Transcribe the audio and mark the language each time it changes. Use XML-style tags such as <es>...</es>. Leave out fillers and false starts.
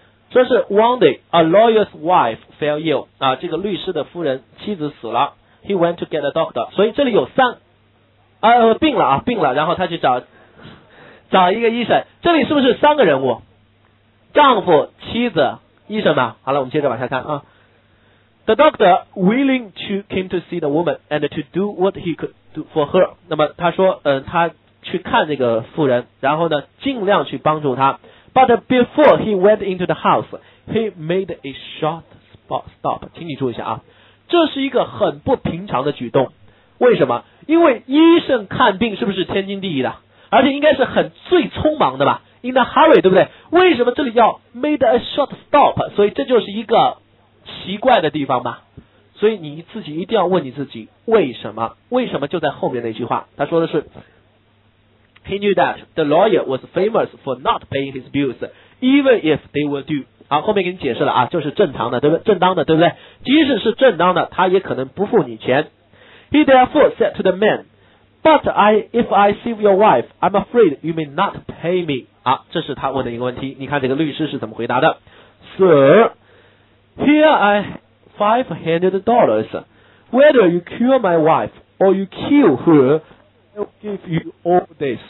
<zh>说是</zh> <en>one day a lawyer's wife fell ill</en> <zh>啊，这个律师的夫人妻子死了。</zh> <en>He went to get a doctor。</en> <zh>所以这里有三，病了，然后他去找一个医生，这里是不是三个人物？丈夫、妻子、医生吧。好了，我们接着往下看啊。</zh> <en>The doctor willing to came to see the woman and to do what he could do for her。</en> <zh>那么他说，他去看这个妇人，然后呢，尽量去帮助她。</zh> <en>But before he went into the house, he made a short stop。</en> <zh>请你注意一下啊，这是一个很不平常的举动。为什么？因为医生看病是不是天经地义的？而且应该是很最匆忙的吧 ，</zh> <en>in a hurry，</en> <zh>对不对？为什么这里要 made a short stop？所以这就是一个奇怪的地方吧。所以你自己一定要问你自己，为什么？为什么就在后面那句话？他说的是</zh> <en>，He knew that the lawyer was famous for not paying his bills, even if they were due。</en> <zh>好，后面给你解释了啊，就是正常的，对不对？正当的，对不对？即使是正当的，他也可能不付你钱。</zh> <en>He therefore said to the man, But if I see your wife, I'm afraid you may not pay me.</en> <zh>好，这是他问的一个问题。你看这个律师是怎么回答的。</zh> <en>Sir, here I have $500. Whether you kill my wife or you kill her, I'll give you all this.</en>